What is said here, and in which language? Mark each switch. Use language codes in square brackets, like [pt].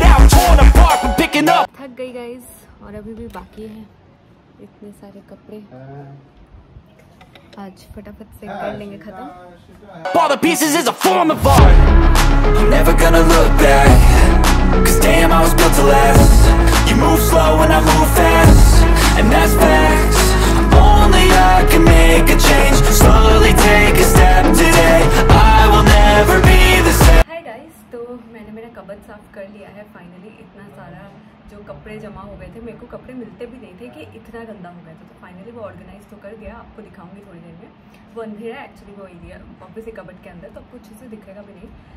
[hi] थक गई गाइस, और अभी भी बाकी है इतने सारे कपड़े, आज फटाफट से कर लेंगे खत्म। [en] All the pieces is a form of art. I'm never gonna look back. Cause damn, I was built to last. You move slow and I move fast. And that's facts. Only I can make a change. Slowly take a step today. I will never be the same. Hi guys, [hi] तो मैंने मेरा cupboard साफ कर लिया है finally. इतना सारा जो कपड़े जमा हो गए थे, मेरे को कपड़े मिलते भी नहीं थे कि इतना गंदा हो गया था। तो फाइनली वो ऑर्गेनाइज तो कर गया, आपको दिखाऊंगी थोड़ी देर में। वो अंधेरा एक्चुअली वो एरिया वापस ही कबट के अंदर, तो आपको अच्छे से दिखेगा भी नहीं।